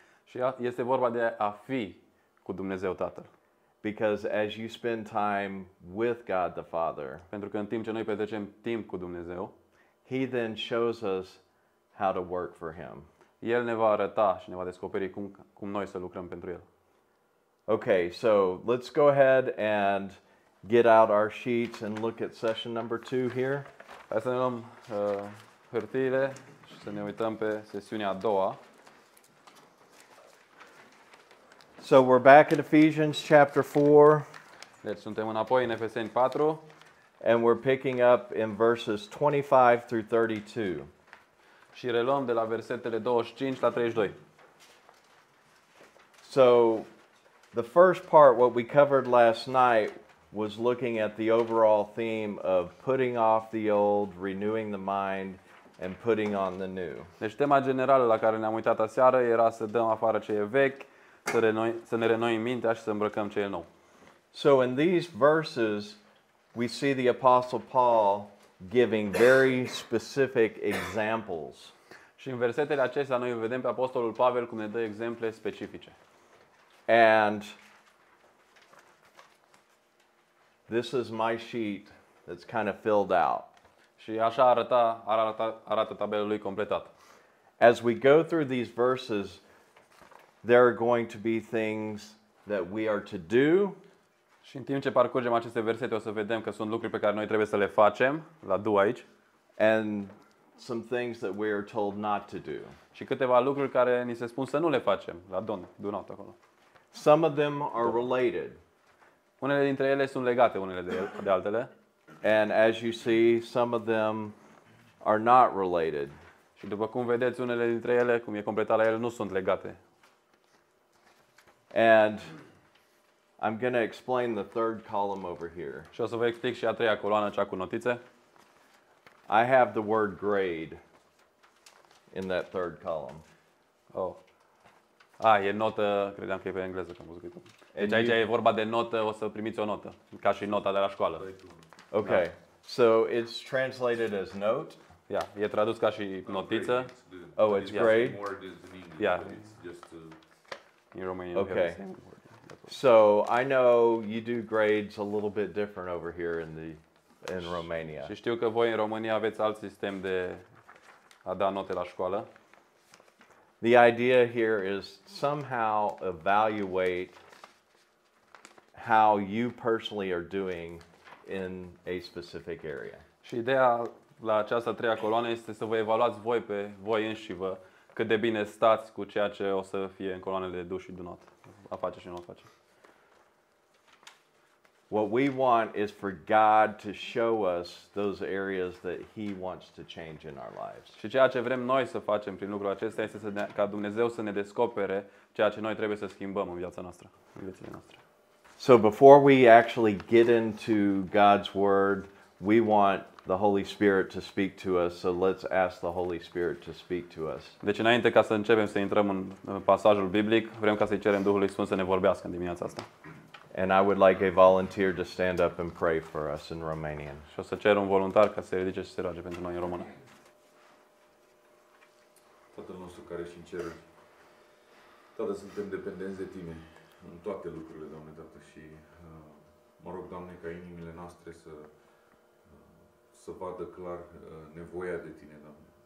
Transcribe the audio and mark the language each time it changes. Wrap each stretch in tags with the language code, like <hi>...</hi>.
<ro>Și este vorba de a fi cu Dumnezeu Tatăl.</ro> <en>Because as you spend time with God the Father,</en> <ro>pentru că în timp ce noi petrecem timp cu Dumnezeu,</ro> <en>He then shows us how to work for Him.</en> <ro>El ne va arăta și ne va descoperi cum noi să lucrăm pentru El.</ro> <en>Okay, so let's go ahead and get out our sheets and look at session number 2 here.</en> <ro>Hai să ne luăm hârtiile și să ne uităm pe sesiunea a doua.</ro> <en>So we're back in Ephesians chapter 4.</en> <ro>Deci suntem înapoi în Efeseni 4.</ro> <en>And we're picking up in verses 25 through 32.</en> <ro>Și reluăm de la versetele 25 la 32.</ro> <en>So, the first part, what we covered last night, was looking at the overall theme of putting off the old, renewing the mind, and putting on the new.</en> <ro>Deci tema generală la care ne-am uitat aseară era să dăm afară ce e vechi, să ne renoim mintea și să îmbrăcăm ce e nou.</ro> <en>So, in these verses, we see the Apostle Paul giving very specific examples.</en> <ro>Și în versetele acestea noi vedem pe apostolul Pavel cum ne dă exemple specifice.</ro> <en>And this is my sheet that's kind of filled out.</en> <ro>Și așa arată tabela lui completată.</ro> <en>As we go through these verses, there are going to be things that we are to do.</en> <ro>Și în timp ce parcurgem aceste versete, o să vedem că sunt lucruri pe care noi trebuie să le facem, la do aici.</ro> <en>And some things that we are told not to do.</en> <ro>Și câteva lucruri care ni se spun să nu le facem, la do not acolo.</ro> <en>Some of them are related.</en> <ro>Unele dintre ele sunt legate unele de altele.</ro> <en>And as you see, some of them are not related.</en> <ro>Și după cum vedeți, unele dintre ele, cum e completat la ele, nu sunt legate.</ro> <en>And I'm going to explain the third column over here.</en> <ro>Și o să vă explic și a treia coloană, cea cu notițe.</ro> <en>I have the word grade in that third column. Oh.</en> <ro>Ah, e notă, credeam că e pe engleză, că am văzut. Deci aici e vorba de notă, o să primiți o notă, ca și nota de la școală.</ro> <en>Okay.</en> <ro>Da.</ro> <en>So it's translated as note.</en> <ro>Yeah, e tradus ca și notiță.</ro> <en>Oh, it's grade. Yeah. In Romanian. Okay. So, I know you do grades a little bit different over here in Romania.</en> <ro>Și știu că voi în România aveți alt sistem de a da note la școală.</ro> <en>The idea here is somehow evaluate how you personally are doing in a specific area.</en> <ro>Și ideea la această treia coloană este să vă evaluați voi pe voi înși vă cât de bine stați cu ceea ce o să fie în coloanele do și do not. A face și nu a face.</ro> <en>What we want is for God to show us those areas that He wants to change in our lives.</en> <ro>Și ceea ce vrem noi să facem prin lucrul acesta este ca Dumnezeu să ne descopere ceea ce noi trebuie să schimbăm în viața noastră, în viețile noastre.</ro> <en>So before we actually get into God's word, we want the Holy Spirit to speak to us. So let's ask the Holy Spirit to speak to us.</en> <ro>Deci înainte ca să începem să intrăm în pasajul biblic, vrem ca să-i cerem Duhului Sfânt să ne vorbească în dimineața asta.</ro> <en>And I would like a volunteer to stand up and pray for us in Romanian.</en> <ro>Și o să cer un voluntar ca să se ridice și să se roage pentru noi în română. Tatăl nostru care ești în ceruri, Tată, suntem dependenți de Tine în toate lucrurile, Doamne, Tată, și mă rog, Doamne, ca inimile noastre să vadă clar nevoia de Tine, Doamne.</ro>